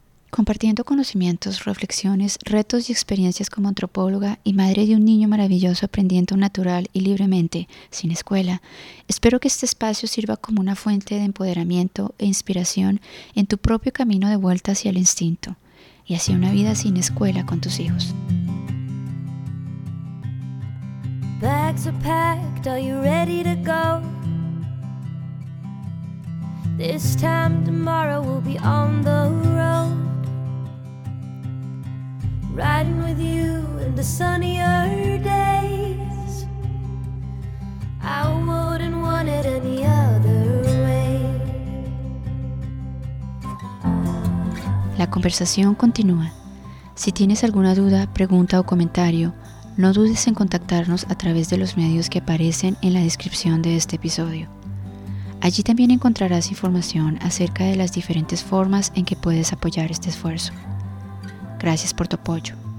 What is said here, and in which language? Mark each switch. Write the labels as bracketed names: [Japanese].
[Spanish] Compartiendo conocimientos, reflexiones, retos y experiencias como antropóloga y madre de un niño maravilloso aprendiendo natural y libremente, sin escuela, espero que este espacio sirva como una fuente de empoderamiento e inspiración en tu propio camino de vuelta hacia el instinto y hacia una vida sin escuela con tus hijos. [English] Bags are packed, are you ready to go? This time tomorrow we'll be on the road. Riding with you in the sunnier days. I wouldn't want it any other way. [Spanish] La conversación continúa. Si tienes alguna duda, pregunta o comentario, no dudes en contactarnos a través de los medios que aparecen en la descripción de este episodio. Allí también encontrarás información acerca de las diferentes formas en que puedes apoyar este esfuerzo. Gracias por tu apoyo.